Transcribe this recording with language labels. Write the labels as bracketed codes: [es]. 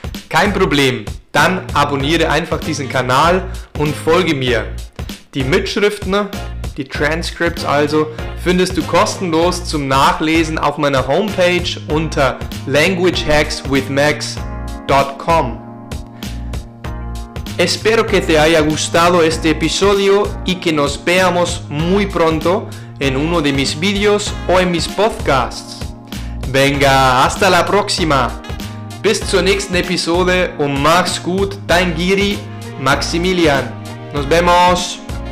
[de] Kein Problem, dann abonniere einfach diesen Kanal und folge mir. Die Mitschriften, die Transcripts also, findest du kostenlos zum Nachlesen auf meiner Homepage unter languagehackswithmax.com. [es] Espero que te haya gustado este episodio y que nos veamos muy pronto en uno de mis videos o en mis podcasts. Venga, hasta la próxima. [de] Bis zur nächsten Episode und mach's gut, dein Giri Maximilian. [es] Nos vemos.